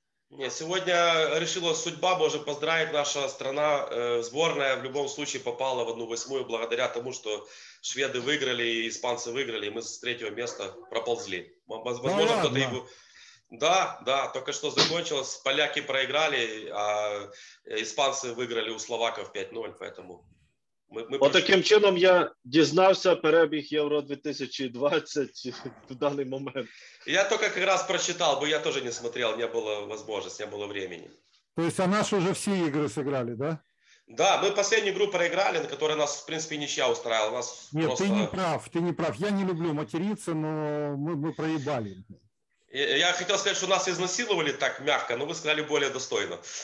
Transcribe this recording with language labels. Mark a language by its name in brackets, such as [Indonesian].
[Russian] Нет, сегодня решила судьба, боже, поздравить, наша страна, сборная в любом случае попала в 1/8 благодаря тому, что шведы выиграли и испанцы выиграли, и мы с третьего места проползли. Возможно, да, кто-то его... Да, да, только что закончилось, поляки проиграли, а испанцы выиграли у словаков 5-0, поэтому... [Ukrainian] Ми таким чином я дізнався перебіг Євро-2020 в даний момент. Я тільки якраз прочитав, бо я теж [Russian] не смотрел, [Ukrainian] не було можливості, не було времени. Тобто, а наші вже всі ігри зіграли, так? Да? [Russian] Да, мы последнюю игру проиграли, на которой нас, в принципе, ничья устраивала. Нас нет, просто... ты не прав. Я не люблю материться, но мы проебали. Я хотел сказать, что нас изнасиловали так мягко, но вы сказали более достойно.